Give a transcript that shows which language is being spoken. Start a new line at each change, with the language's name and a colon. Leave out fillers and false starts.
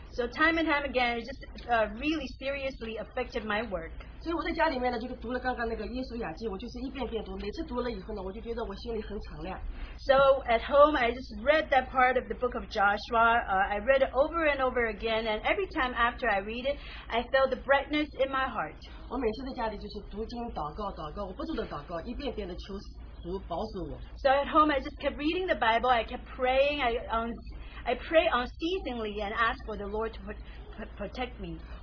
English: So time and time again, it just really seriously affected my work.
Chinese: 所以我在家里面呢，就是读了刚刚那个《耶稣雅记》，我就是一遍遍读，每次读了以后呢，我就觉得我心里很敞亮。
English: So at home, I just read that part of the book of Joshua. I read it over and over again, and every time after I read it, I felt the brightness in my heart.
Chinese: 我每次在家里就是读经、祷告，我不住的祷告，一遍遍的求主保守我。
English: So at home, I just kept reading the Bible. I kept praying. I pray unceasingly and ask for the Lord to protect me.